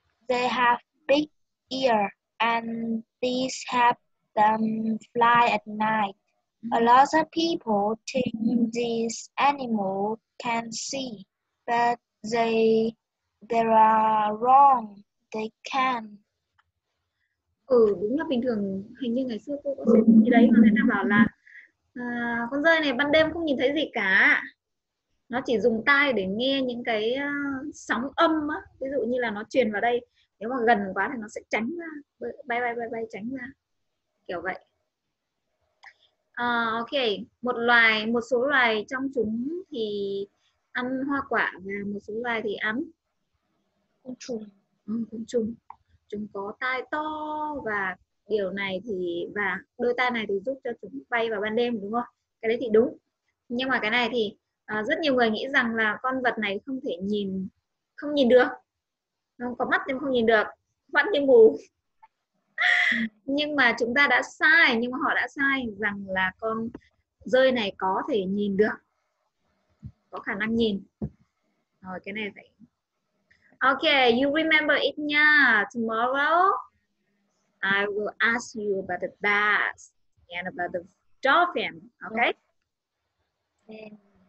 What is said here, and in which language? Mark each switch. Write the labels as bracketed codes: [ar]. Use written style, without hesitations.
[en] They have big ears and these have fly at night. A lot of people think these animals can see, but they are wrong. They can. [vi] Đúng là bình thường. Hình như ngày xưa cô có xem cái đấy mà người ta bảo là Con rơi này ban đêm không nhìn thấy gì cả. Nó chỉ dùng tai để nghe những cái sóng âm á. Ví dụ như là nó truyền vào đây, nếu mà gần quá thì nó sẽ tránh ra, bay bay bay bay tránh ra, kiểu vậy. Ok, một số loài trong chúng thì ăn hoa quả và một số loài thì ăn côn trùng. Côn trùng. Chúng có tai to và điều này thì và đôi tai này thì giúp cho chúng bay vào ban đêm, đúng không? Cái đấy thì đúng. Nhưng mà cái này thì rất nhiều người nghĩ rằng là con vật này không thể nhìn, không nhìn được. Nó có mắt nhưng không nhìn được, mắt như mù. Nhưng mà chúng ta đã sai, nhưng mà họ đã sai rằng là con rơi này có thể nhìn được, có khả năng nhìn. Rồi cái này phải. [en] Ok, you remember it [vi] nha. [en] Tomorrow I will ask you about the bats and about the dolphin. Ok.